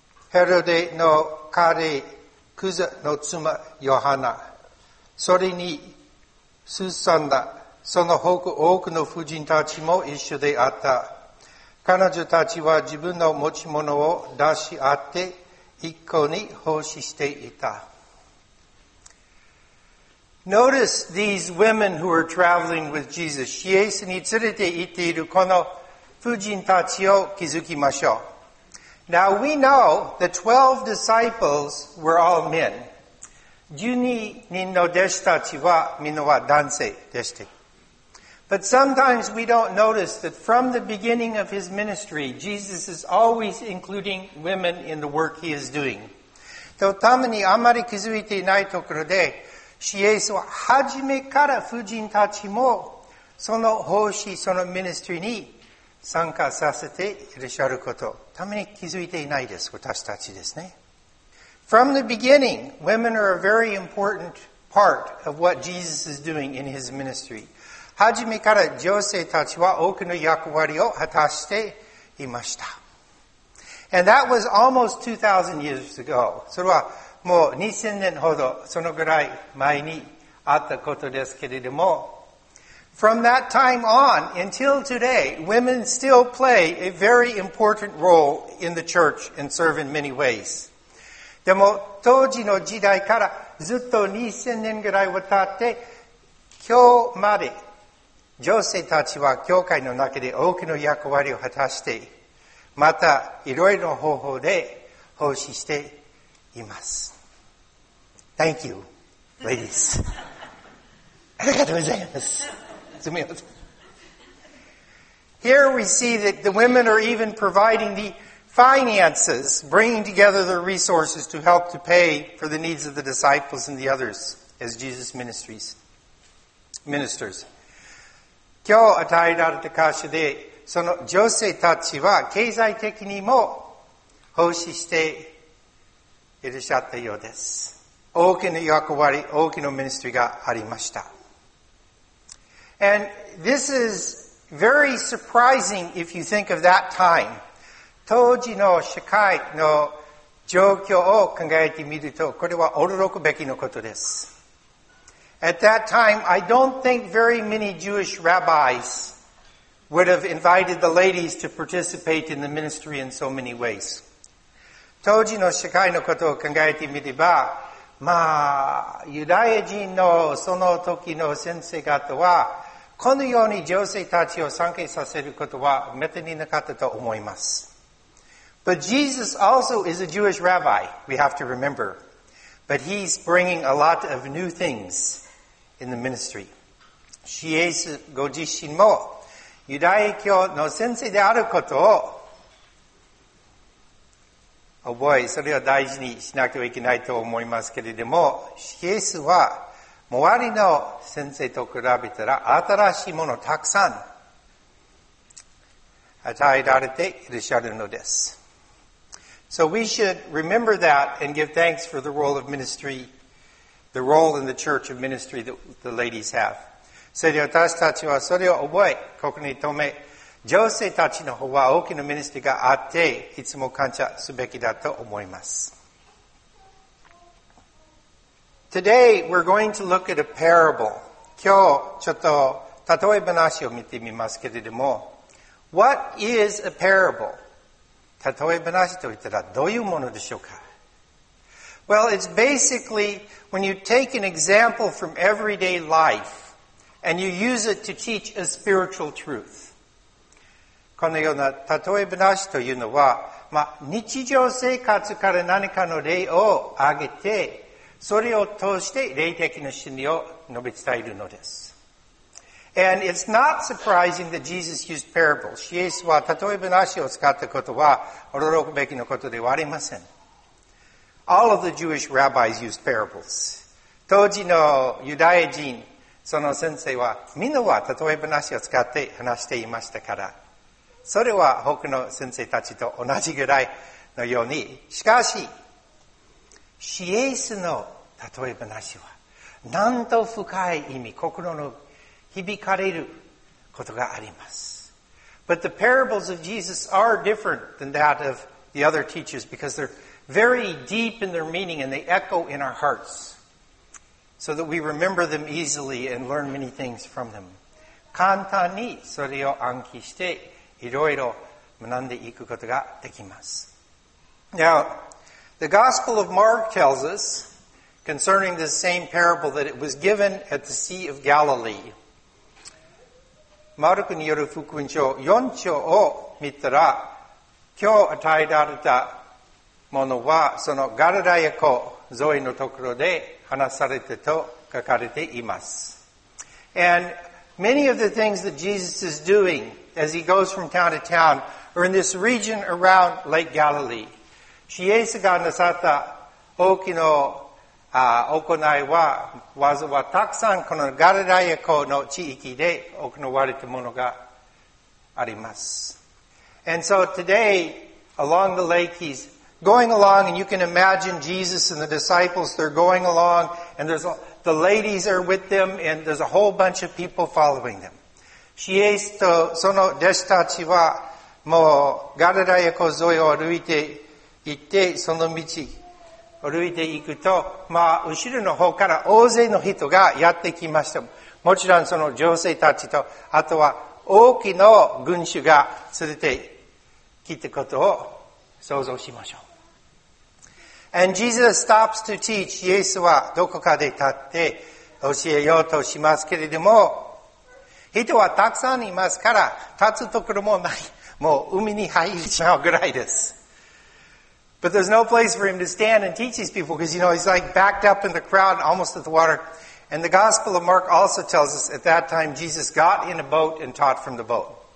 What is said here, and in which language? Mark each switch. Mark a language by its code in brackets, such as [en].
[ja] ヘロデの彼、クザの妻ヨハナ、それにスーサンナ、その多くの婦人たちも一緒であった。彼女たちは自分の持ち物を出し合って一向に奉仕していた。 [en] Notice these women who are traveling with Jesus. [ja] イエスに連れて行っているこの婦人たちを気づきましょう。 [en] Now we know the 12 disciples were all men. [ja] 12人の弟子たちはみんなは男性でした。 [en] But sometimes we don't notice that from the beginning of his ministry, Jesus is always including women in the work he is doing. [ja] とたまにあまり気づいていないところで、イエスは初めから婦人たちもその奉仕、その ministry に参加させていらっしゃること。ために気づいていないです、私たちですね。 [en] From the beginning, women are a very important part of what Jesus is doing in his ministry. [ja] はじめから女性たちは多くの役割を果たしていました。 [en] And that was almost 2,000 years ago. [ja] それはもう2000年ほど、そのぐらい前にあったことですけれども、 [en] From that time on until today, women still play a very important role in the church and serve in many ways. [ja] でも当時の時代からずっと2000年ぐらいを経って今日まで女性たちは教会の中で多くの役割を果たしてまたいろいろ方法で奉仕しています。 [en] Thank you, ladies. [ja] ありがとうございます。 [en] Here we see that the women are even providing the finances, bringing together the resources to help to pay for the needs of the disciples and the others as Jesus ministers. [ja] 今日与えられた箇所で、その女性たちは経済的にも奉仕していらっしゃったようです。大きな役割、大きな ministry がありました。 [en] And this is very surprising if you think of that time. [ja] 当時の社会の状況を考えてみると、これは驚くべきのことです。 [en] At that time, I don't think very many Jewish rabbis would have invited the ladies to participate in the ministry in so many ways. [ja] 当時の社会のことを考えてみれば、まあ、ユダヤ人のその時の先生方は、このように女性たちを参加させることはめったになかったと思います。 [en] But Jesus also is a Jewish rabbi, we have to remember. But he's bringing a lot of new things in the ministry. [ja] イエスご自身もユダヤ教の先生であることを覚え、それを大事にしなければいけないと思いますけれども、イエスは周りの先生と比べたら新しいものをたくさん与えられていらっしゃるのです。 [en] So we should remember that and give thanks for the role of ministry, the role in the church of ministry that the ladies have. [ja] それで私たちはそれを覚え、ここに留め、女性たちの方は大きなミニストリーがあって、いつも感謝すべきだと思います。 [en] Today, we're going to look at a parable. [ja] 今日、ちょっと、例え話を見てみますけれども、 [en] What is a parable? [ja] 例え話と言ったら、どういうものでしょうか? [en] Well, it's basically when you take an example from everyday life and you use it to teach a spiritual truth. [ja] このような例え話というのは、まあ、日常生活から何かの例を挙げて、それを通して霊的な真理を述べ伝えるのです。 [en] And it's not surprising that Jesus used parables. [ja] イエスは例え話を使ったことは驚くべきのことではありません。 [en] All of the Jewish rabbis used parables. [ja] 当時のユダヤ人、その先生は、みんなは例え話を使って話していましたから、それは他の先生たちと同じぐらいのように。しかし、シエスの例え話は、なんと深い意味、心の響かれることがあります。 [en] But the parables of Jesus are different than that of the other teachers because they're very deep in their meaning and they echo in our hearts so that we remember them easily and learn many things from them. [ja] 簡単にそれを暗記して、いろいろ学んでいくことができます。 [en] Now, the Gospel of Mark tells us concerning the same parable that it was given at the Sea of Galilee. [ja] マルクによる福音書4章を見たら、今日与えられたものはそのガルラヤ湖沿いのところで話されてと書かれています。 [en] And many of the things that Jesus is doingas he goes from town to town, or in this region around Lake Galilee. [ja] イエスがなさった大きな行いは、わざわざたくさんこのガルラヤ湖の地域で行われたものがあります。 [en] And so today, along the lake, he's going along, and you can imagine Jesus and the disciples, they're going along, and the ladies are with them, and there's a whole bunch of people following them. [ja] シエスとその弟子たちはもうガルラヤ湖沿いを歩いて行ってその道を歩いて行くとまあ後ろの方から大勢の人がやってきました。もちろんその女性たちとあとは大きな群衆が連れて来たことを想像しましょう。 [en] And Jesus stops to teach. [ja] イエスはどこかで立って教えようとしますけれども人はたくさんいますから、立つところもない。もう海に入っちゃうぐらいです。 [en] But there's no place for him to stand and teach these people because, you know, he's like backed up in the crowd almost at the water. And the Gospel of Mark also tells us at that time Jesus got in a boat and taught from the boat.